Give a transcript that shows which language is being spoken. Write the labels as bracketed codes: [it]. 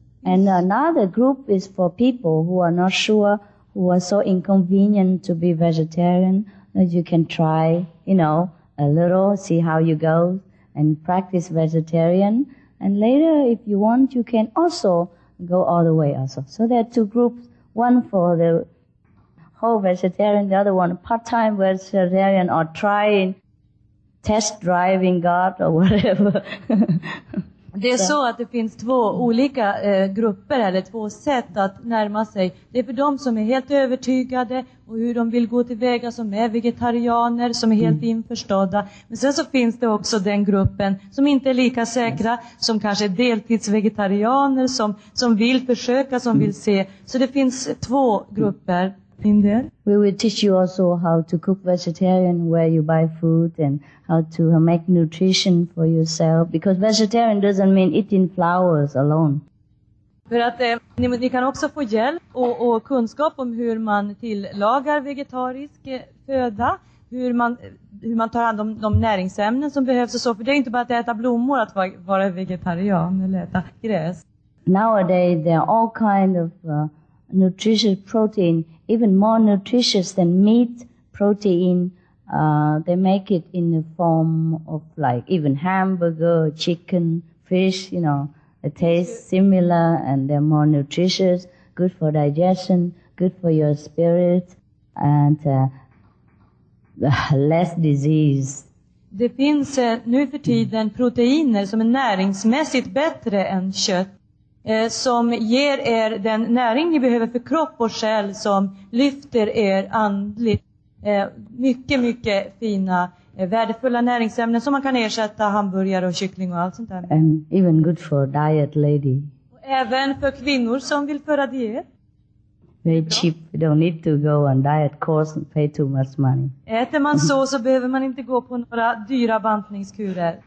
[en] And another group is for people who are not sure, who are so inconvenient to be vegetarian, that you can try, you know, a little, see how you go and practice vegetarian. And later, if you want, you can also go all the way also. So there are two groups, one for the whole vegetarian, the other one part-time vegetarian, or trying, test driving God or whatever. [sv] Det är så att det finns två olika grupper eller två sätt att närma sig. Det är för de som är helt övertygade och hur de vill gå tillväga, som är vegetarianer, som är helt införstådda. Men sen så finns det också den gruppen som inte är lika säkra, som kanske är deltidsvegetarianer, som vill försöka, som vill se. Så det finns två grupper [en] in there. We will teach you also how to cook vegetarian, where you buy food, and how to make nutrition for yourself. Because vegetarian doesn't mean eating flowers alone. [sv] För att ni kan också få hjälp och kunskap om hur man tillagar vegetarisk föda, hur man tar hand om de näringsämnen som behövs och så. För det är inte bara att äta blommor att vara vegetarian eller äta gräs. [en] Nowadays there are all kind of nutritious protein, even more nutritious than meat protein. They make it in the form of like even hamburger, chicken, fish, you know, it tastes similar and they're more nutritious, good for digestion, good for your spirit, and less disease. [sv] Det finns nu för tiden proteiner som är näringsmässigt bättre än kött, som ger er den näring ni behöver för kropp och själ, som lyfter er andligt. Mycket, mycket fina, värdefulla näringsämnen som man kan ersätta hamburgare och kyckling och allt sånt där. [en] And even good for diet lady. [sv] Och även för kvinnor som vill föra diet. [en] Very cheap. You don't need to go on diet course and pay too much money. [sv] Äter man så behöver man inte gå på några dyra bantningskurer.